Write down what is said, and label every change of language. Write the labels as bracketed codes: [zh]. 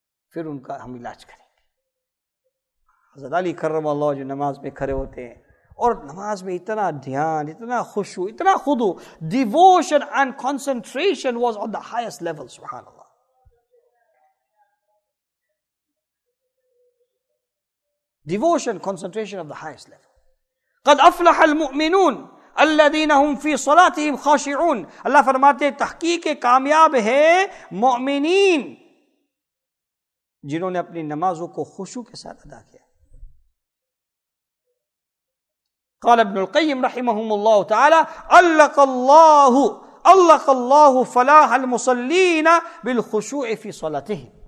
[ur] پھر ان کا ہم علاج کریں گے. حضرت علی کرم اللہ جو نماز میں کھڑے ہوتے ہیں اور نماز میں اتنا دھیان, اتنا خشوع, اتنا خضوع, [en] devotion and concentration was on the highest level, [ur] سبحان اللہ. [en] devotion, concentration of the highest level. [ar] قد افلح المؤمنون الذين هم في صلاتهم خاشعون. [ur] اللہ فرماتے ہیں تحقیق کامیاب ہے مؤمنین جنہوں نے اپنی نمازوں کو خشوع کے ساتھ ادا کیا. [ar] قال ابن القیم رحمهم اللہ تعالی علق اللہ فلاح المصلین بالخشوع فی صلاتهم.